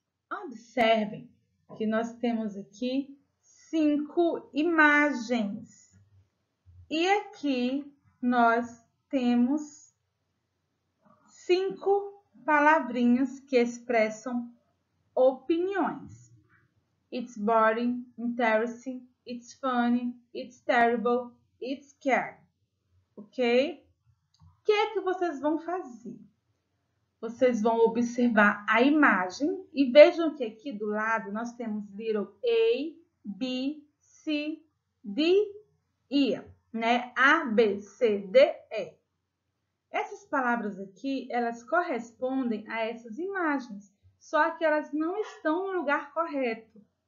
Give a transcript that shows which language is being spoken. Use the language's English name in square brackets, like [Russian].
[Portuguese] Observem que nós temos aqui 5 imagens. E aqui nós temos 5 palavrinhas que expressam opiniões. [English] It's boring, interesting, it's funny, it's terrible, it's scary. [Portuguese] Ok? O que é que vocês vão fazer? Vocês vão observar a imagem e vejam que aqui do lado nós temos little A, B, C, D, E. Né? A, B, C, D, E. Essas palavras aqui, elas correspondem a essas imagens, só que elas não estão no lugar correto.